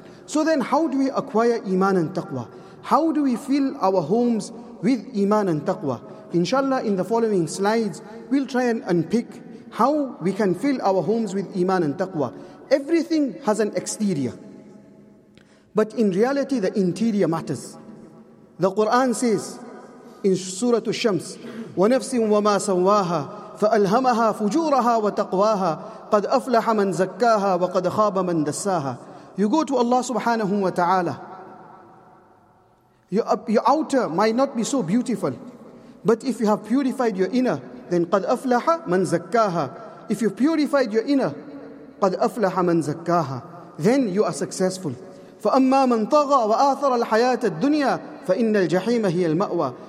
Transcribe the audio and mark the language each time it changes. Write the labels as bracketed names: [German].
[English] So then how do we acquire iman and taqwa? How do we fill our homes with iman and taqwa? Inshallah, in the following slides, we'll try and unpick how we can fill our homes with iman and taqwa. Everything has an exterior, but in reality, the interior matters. The Quran says in Surah Al-Shams, [Arabic] وَنَفْسٍ وَمَا سَوَّاهَا فَأَلْهَمَهَا فُجُورَهَا وَتَقْوَاهَا قَدْ أَفْلَحَ مَنْ زَكَّاهَا وَقَدْ خَابَ مَنْ دَسَّاهَا. [English] You go to Allah subhanahu wa ta'ala. Your outer might not be so beautiful, but if you have purified your inner, then [Arabic] قَدْ أَفْلَحَ مَنْ زَكَّاهَا. [English] If you purified your inner, [Arabic] قَدْ أَفْلَحَ مَنْ زَكَّاهَا, [English] then you are successful. [Arabic] فَأَمَّا مَنْ طَغَى وَآثَرَ الْحَيَاةَ الدُّنْيَا فَإِنَّ الْجَحِيمَ هِيَ الْمَأْوَى.